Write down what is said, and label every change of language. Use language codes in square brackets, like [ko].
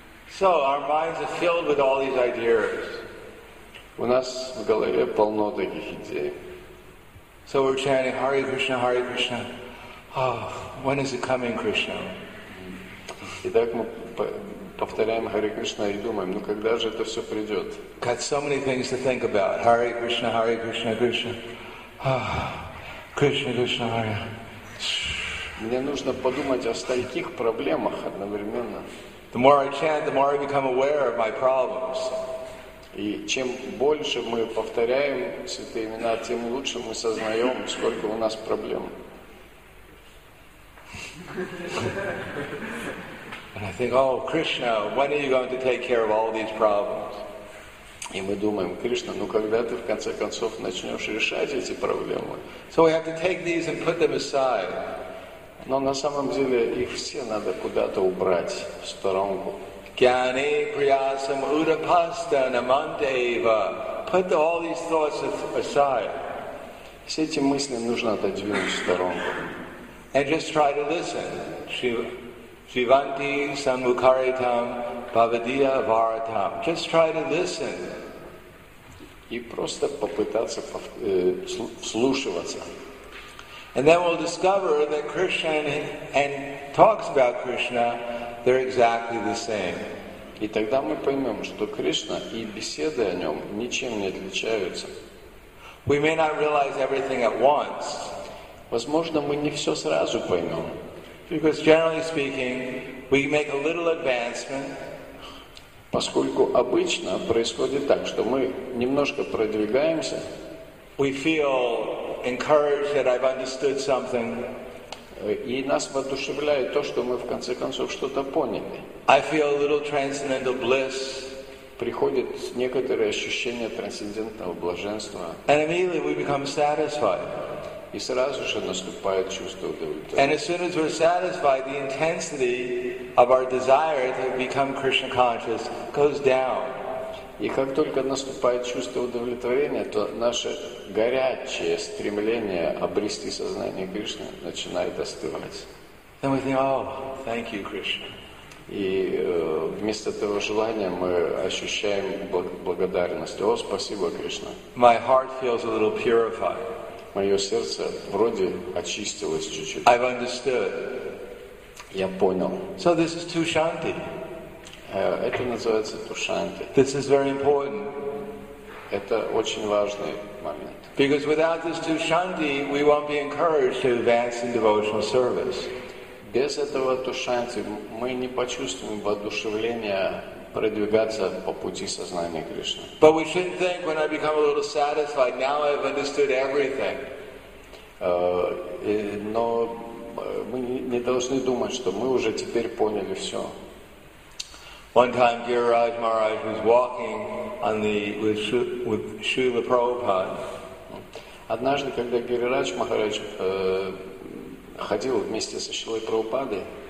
[en] So our minds are filled with all these ideas. [ru] У нас в голове полно таких идей. [en] So we're chanting Hare Krishna, Hare Krishna. Oh, when is it coming, Krishna? [ru] Итак, мы повторяем Hare Krishna и думаем, ну когда же это все придет? [en] Got so many things to think about. Hare Krishna, Hare Krishna, Krishna. Oh, Krishna, Krishna, Hare. [ru] Мне нужно подумать о стольких проблемах одновременно. [en] The more I chant, the more I become aware of my problems. [ru] И чем больше мы повторяем святые имена, тем лучше мы сознаем, сколько у нас проблем. [en] And I think, oh, Krishna, when are you going to take care of all these problems? [ru] И мы думаем, Кришна, ну когда ты в конце концов начнешь решать эти проблемы? [en] So we have to take these and put them aside. [ru] Но на самом деле их все надо куда-то убрать в сторонку. [sa] Gyane priyasam udapasta namanteva. [en] Put all these thoughts aside. [ru] Все эти мысли нужно отодвинуть в сторонку. [en] And just try to listen. [sa] Shivanti samukaritam bhavadiya varatam. [en] Just try to listen. [ru] И просто попытаться вслушиваться. [en] And then we'll discover that Krishna and talks about Krishna, they're exactly the same. [ru] И тогда мы поймем, что Кришна и беседы о нем ничем не отличаются. [en] We may not realize everything at once. [ru] Возможно, мы не все сразу поймем. [en] Because generally speaking, we make a little advancement. [ru] Поскольку обычно происходит так, что мы немножко продвигаемся. [en] We feel encouraged that I've understood something. [ru] И нас воодушевляет то, что мы в конце концов что-то поняли. [en] I feel a little transcendental bliss. [ru] Приходит некоторое ощущение трансцендентного блаженства. [en] And immediately we become satisfied. [ru] И сразу же наступает чувство удовлетворения. [en] And as soon as we're satisfied, the intensity of our desire to become Krishna conscious goes down. [ru] И как только наступает чувство удовлетворения, то наше горячее стремление обрести сознание Кришны начинает остывать. [en] Then we think, oh, thank you, Krishna. [ru] И вместо этого желания мы ощущаем благодарность. О, спасибо, Кришна. [en] My heart feels a little purified. [ru] Мое сердце вроде очистилось чуть-чуть. [en] I've understood. [ru] Я понял. [en] So this is tushanti. [ru] Это называется тушанти. [en] This is very important. [ru] Это очень важный момент. [en] Because without this tushanti, we won't be encouraged to advance in devotional service. [ru] Без этого тушанти мы не почувствуем воодушевления продвигаться по пути сознания Кришны. [en] But we shouldn't think when I become a little satisfied, now I've understood everything. [ru] Но мы не должны думать, что мы уже теперь поняли все. [en] One time Giriraj Maharaj was walking on the with Srila Prabhupada. [ru] Однажды, когда Гирирадж Махарадж ходил вместе со Шрилой Прабхупадой,